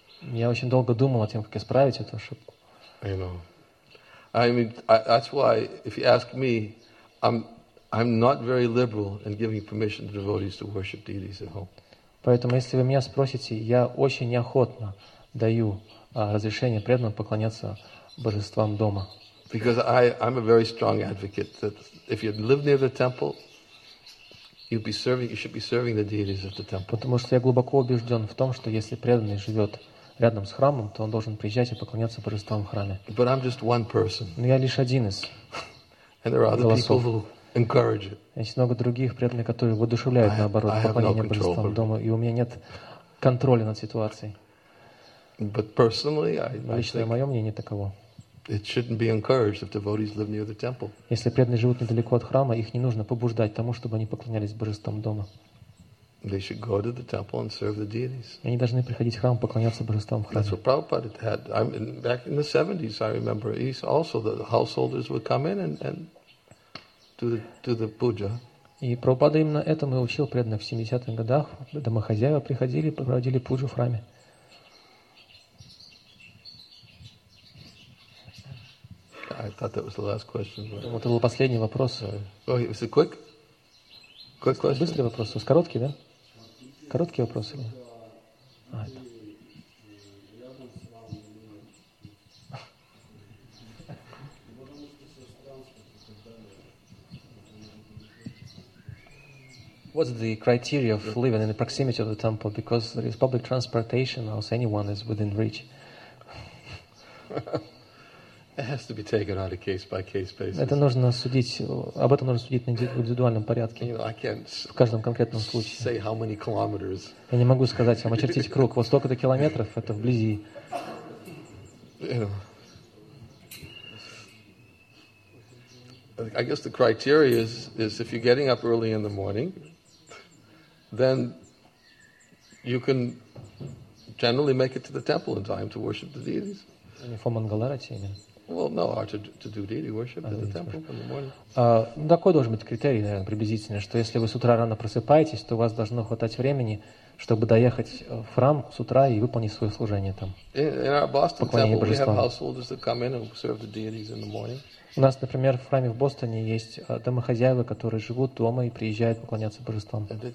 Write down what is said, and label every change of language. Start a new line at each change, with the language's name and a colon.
Russian: Я очень долго думал о том, как исправить эту ошибку.
English: You know. I mean, that's why, if you ask me, I'm not very liberal in giving permission to devotees to worship deities at home.
Russian: Поэтому, если вы меня спросите, я очень неохотно даю разрешение преданным поклоняться божествам дома.
English: Because I'm a very strong advocate that if you live near the temple, you should be serving the deities of the temple.
Russian: Потому что я глубоко убежден в том, что если преданный живет рядом с храмом, то он должен приезжать и поклоняться божествам в храме.
English: But I'm just one person.
Russian: Но я лишь один из
English: And there are other
Russian: голосов.
English: People who encourage it.
Russian: Есть много других преданных, которые воодушевляют, наоборот, поклонение божествам дома, и у меня нет контроля над ситуацией.
English: But personally,
Russian: лично мое мнение таково.
English: It shouldn't be encouraged if devotees live near the temple.
Russian: Если преданные живут недалеко от храма, их не нужно побуждать тому, чтобы они поклонялись божествам дома.
English: They should go to the temple and serve the deities.
Russian: Они должны приходить в храм, поклоняться божествам в храме.
English: That's what Prabhupada had. I mean, back in the 70s, I remember, he's also the householders would come in and do the puja.
Russian: И Прабхупада именно этому и учил преданных в 70-х годах. Домохозяева приходили, проводили пуджу в храме.
English: I thought that was the last question.
Russian: Вот это был последний вопрос.
English: Oh, it was a quick question.
Russian: Быстрый вопрос, с короткий, да? Короткие вопросы.
English: What's the criteria of living in the proximity of the temple? Because there is public transportation, or else anyone is within reach. It has to be taken on a case-by-case basis.
Russian: Это нужно судить, об этом нужно судить на индивидуальном порядке.
English: I can't
Russian: в каждом конкретном случае.
English: Say how many kilometers.
Russian: Я не могу сказать вам, очертить круг. Вот столько-то километров, это вблизи.
English: I guess the criteria is if you're getting up early in the morning, then you can generally make it to the temple in time to worship the deities. For Mangalarati, I mean. Well, no, or to do deity worship at the temple in the morning.
Russian: Такой должен быть критерий, наверное, приблизительно, что если вы с утра рано просыпаетесь, то у вас должно хватать времени, чтобы доехать в храм с утра и выполнить свое служение там.
English: In our Boston temple, we have householders that come in and serve the deities in the morning.
Russian: У нас, например, в храме в Бостоне есть домохозяева, которые живут дома и приезжают поклоняться божествам.